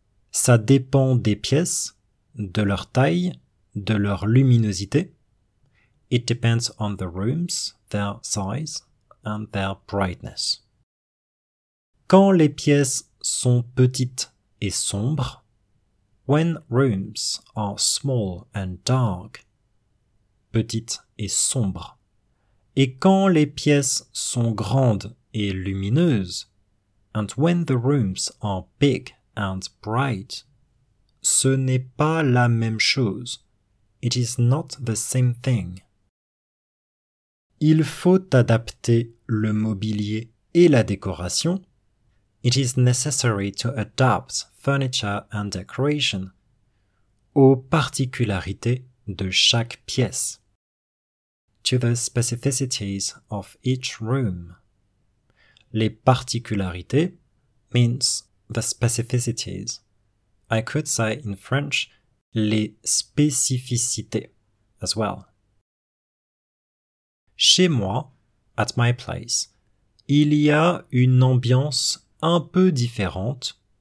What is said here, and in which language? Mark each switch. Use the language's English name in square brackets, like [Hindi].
[French] Ça dépend des pièces, de leur taille, de leur luminosité. [English] It depends on the rooms, their size, and their brightness. [French] Quand les pièces sont petites et sombres, [English] when rooms are small and dark, [French] petites et sombres, et quand les pièces sont grandes et lumineuses, [English] and when the rooms are big and bright, [French] ce n'est pas la même chose. [English] It is not the same thing. [French] Il faut adapter le mobilier et la décoration. [English] It is necessary to adapt furniture and decoration [French] aux particularités de chaque pièce. [English] To the specificities of each room. [French] Les particularités [English] means the specificities. I could say in French, les spécificités as well. [French] Chez moi, [English] at my place, [French] il y a une ambiance un peu différente.